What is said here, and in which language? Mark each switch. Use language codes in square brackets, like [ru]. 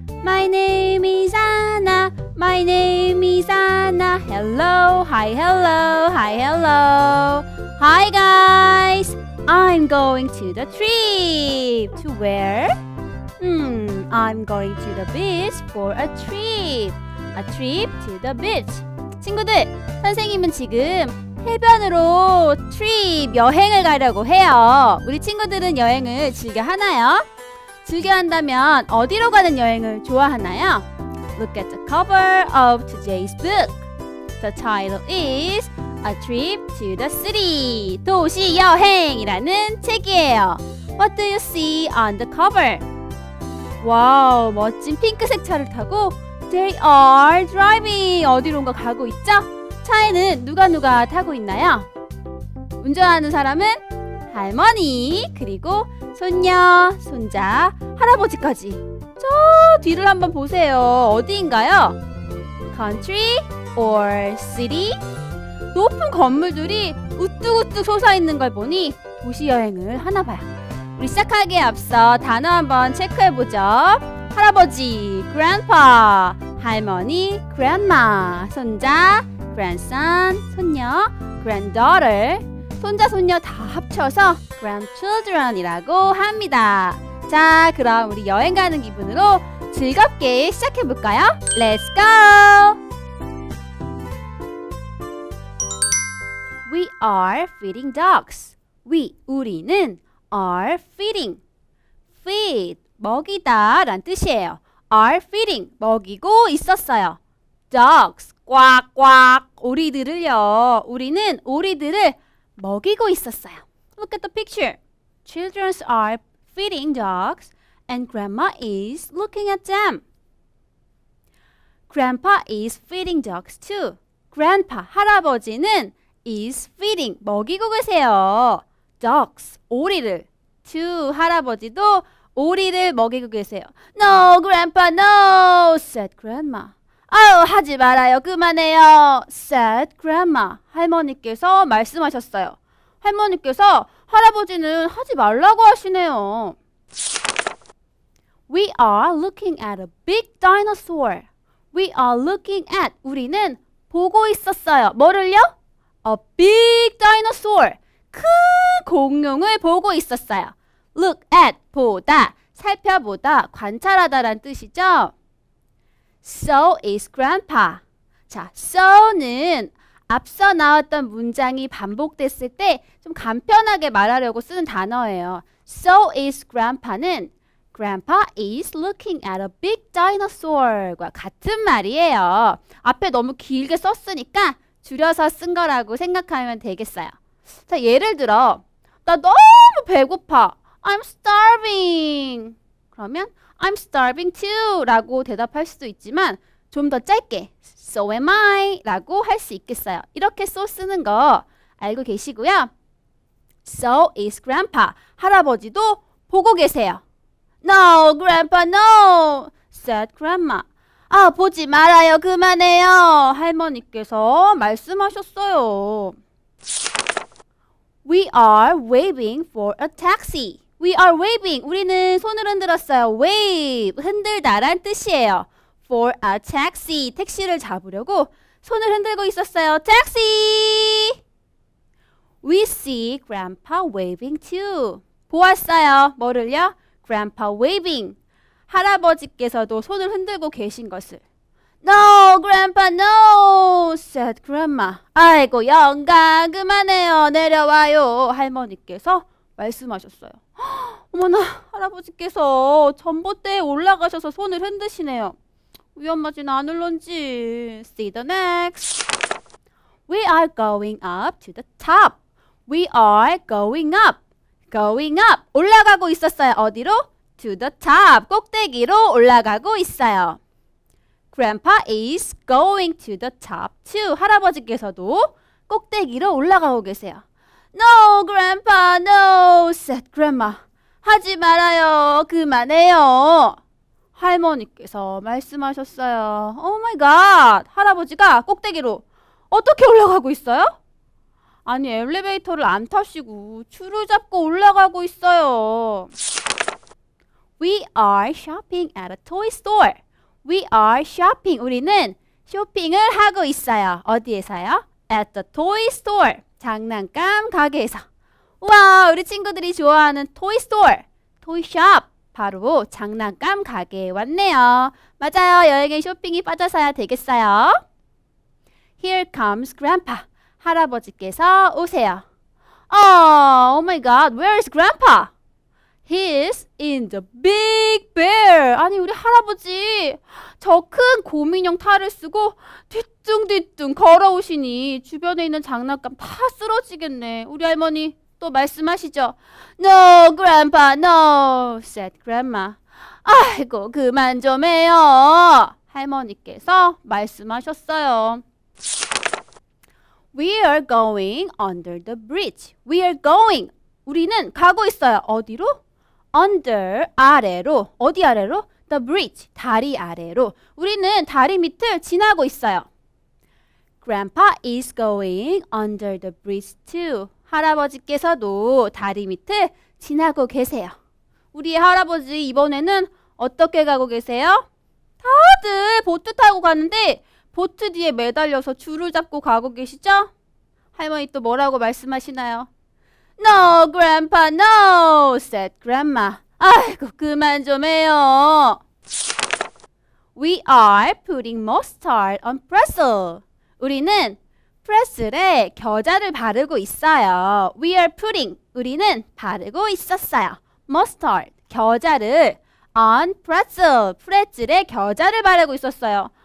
[en] My name is Anna. My name is Anna. Hello, hi, hello, hi, hello. Hi, guys. I'm going to the trip. To where? I'm going to the beach for a trip. A trip to the beach. [ko] 친구들, 선생님은 지금 해변으로 trip, 여행을 가려고 해요. 우리 친구들은 여행을 즐겨 하나요? 즐겨 한다면 어디로 가는 여행을 좋아하나요? [en] Look at the cover of today's book. The title is A Trip to the City. [ko] 도시 여행이라는 책이에요. [en] What do you see on the cover? [ko] 와우, 멋진 핑크색 차를 타고 [en] They are driving. [ko] 어디론가 가고 있죠? 차에는 누가 타고 있나요? 운전하는 사람은 할머니, 그리고 손녀, 손자, 할아버지까지. 저 뒤를 한번 보세요. 어디인가요? [en] Country or city? [ko] 높은 건물들이 우뚝우뚝 솟아있는 걸 보니 도시 여행을 하나 봐요. 우리 시작하기에 앞서 단어 한번 체크해보죠. 할아버지, grandpa. 할머니, grandma. 손자, grandson. 손녀, granddaughter. 손자, 손녀 다 합쳐서 grandchildren이라고 합니다. 자, 그럼 우리 여행 가는 기분으로 즐겁게 시작해볼까요? [en] Let's go! We are feeding dogs. We, [ko] 우리는 [en] are feeding. [ko] Feed, 먹이다 란 뜻이에요. [en] Are feeding, [ko] 먹이고 있었어요. Dogs, 꽉꽉, 오리들을요. 우리는 오리들을 먹이고 있었어요. [en] Look at the picture. Children are feeding dogs and grandma is looking at them. Grandpa is feeding dogs too. [ko] Grandpa, 할아버지는 [en] is feeding, [ko] 먹이고 계세요. Dogs, 오리를. To, 할아버지도 오리를 먹이고 계세요. [en] No, Grandpa, no, said Grandma. [ko] 아우, 하지 말아요. 그만해요, [en] said Grandma. [ko] 할머니께서 말씀하셨어요. 할머니께서 할아버지는 하지 말라고 하시네요. [en] We are looking at a big dinosaur. We are looking at. [ko] 우리는 보고 있었어요. 뭐를요? [en] A big dinosaur. [ko] 큰 공룡을 보고 있었어요. Look at, 보다, 살펴보다, 관찰하다 란 뜻이죠. [en] So is grandpa. [ko] 자, so 는 앞서 나왔던 문장이 반복됐을 때 좀 간편하게 말하려고 쓰는 단어예요. [en] So is grandpa 는 grandpa is looking at a big dinosaur [ko] 과 같은 말이에요. 앞에 너무 길게 썼으니까 줄여서 쓴 거라고 생각하면 되겠어요. 자, 예를 들어, 나 너무 배고파. [en] I'm starving. [ko] 그러면 [en] I'm starving too [ko] 라고 대답할 수도 있지만 좀 더 짧게 [en] So am I [ko] 라고 할 수 있겠어요. 이렇게 so 쓰는 거 알고 계시고요. [en] So is grandpa. [ko] 할아버지도 보고 계세요. [en] No, grandpa, no, said grandma. [ko] 아, 보지 말아요. 그만해요. 할머니께서 말씀하셨어요. [en] We are waving for a taxi. We are waving. [ko] 우리는 손을 흔들었어요. Wave, 흔들다 란 뜻이에요. [en] For a taxi. [ko] 택시를 잡으려고 손을 흔들고 있었어요. [en] Taxi! We see grandpa waving too. [ko] 보았어요. 뭐를요? [en] Grandpa waving. [ko] 할아버지께서도 손을 흔들고 계신 것을. No, grandpa, no, said grandma. 아이고, 영감, 그만해요. 내려와요. 할머니께서 말씀하셨어요. 어머나, 할아버지께서 전봇대에 올라가셔서 손을 흔드시네요. 위험하진 않을런지. [en] See the next. We are going up to the top. We are going up. Going up. [ko] 올라가고 있었어요. 어디로? [en] to the top, [ko] 꼭대기로 올라가고 있어요. [en] Grandpa is going to the top too. [ko] 할아버지께서도 꼭대기로 올라가고 계세요. [en] No, Grandpa, no, said Grandma. [ko] 하지 말아요, 그만해요. 할머니께서 말씀하셨어요. [en] Oh my God, [ko] 할아버지가 꼭대기로 어떻게 올라가고 있어요? 아니, 엘리베이터를 안 타시고 줄을 잡고 올라가고 있어요. [en] We are shopping at a toy store. We are shopping. [ko] 우리는 쇼핑을 하고 있어요. 어디에서요? [en] At the toy store. [ko] 장난감 가게에서. 우와, 우리 친구들이 좋아하는 [en] toy store, toy shop. [ko] 바로 장난감 가게에 왔네요. 맞아요. 여행에 쇼핑이 빠져서야 되겠어요. [en] Here comes Grandpa. [ko] 할아버지께서 오세요. [en] Oh my God, where is Grandpa? He's in the big bear. [ko] 아니, 우리 할아버지 저 큰 곰인형 탈을 쓰고 뒤뚱뒤뚱 걸어오시니 주변에 있는 장난감 다 쓰러지겠네. 우리 할머니 또 말씀하시죠. [en] No, Grandpa, no, said Grandma. [ko] 아이고, 그만 좀 해요. 할머니께서 말씀하셨어요. [en] We are going under the bridge. We are going. [ko] 우리는 가고 있어요. 어디로? Under, 아래로. 어디 아래로? [en] The bridge, [ko] 다리 아래로. 우리는 다리 밑을 지나고 있어요. [en] Grandpa is going under the bridge too. [ko] 할아버지께서도 다리 밑을 지나고 계세요. 우리 할아버지 이번에는 어떻게 가고 계세요? 다들 보트 타고 가는데 보트 뒤에 매달려서 줄을 잡고 가고 계시죠? 할머니 또 뭐라고 말씀하시나요? [en] No, Grandpa, no, said Grandma. [ko] 아이고, 그만 좀 해요. [en] We are putting mustard on pretzel. [ko] 우리는 프레슬에 겨자를 바르고 있어요. [en] We are putting, [ko] 우리는 바르고 있었어요. Mustard, 겨자를 [en] on pretzel, [ko] 프레즐에 겨자를 바르고 있었어요.